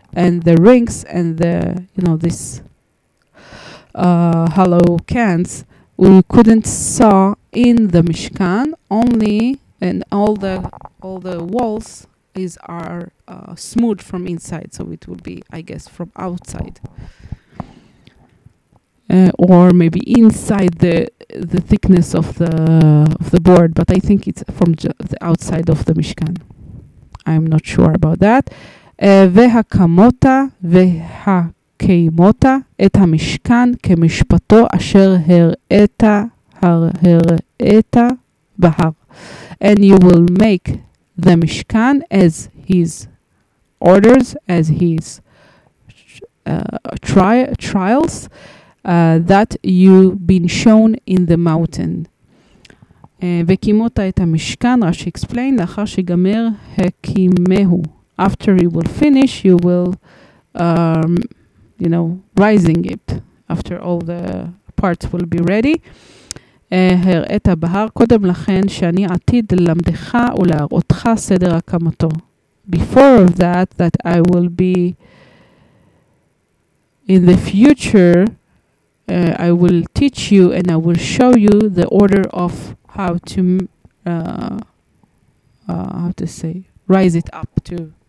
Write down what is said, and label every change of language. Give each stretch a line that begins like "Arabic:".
English: And the rings and the, you know, this hollow cans, we couldn't saw in the Mishkan only, and all the walls is are smooth from inside, so it would be, I guess, from outside, or maybe inside the thickness of the board, but I think it's from the outside of the Mishkan. I'm not sure about that.
Hebrew: והקמותה והקיימותה את המשכן כמשפטו אשר הראית בהר.
English: And you will make the משכן as his orders, as his trials, that you been shown in the mountain.
Hebrew: וקימותה את המשכן, רש"י explain, לאחר שגמר הקימהו.
English: After you will finish, you will, you know, rising it. After all the parts will be ready.
Hebrew: הראית בהר קודם לכן שאני עתיד ללמדך ולהראותך סדר הקמתו.
English: Before of that, that I will be in the future, I will teach you and I will show you the order of how to, how to say, rise it up to.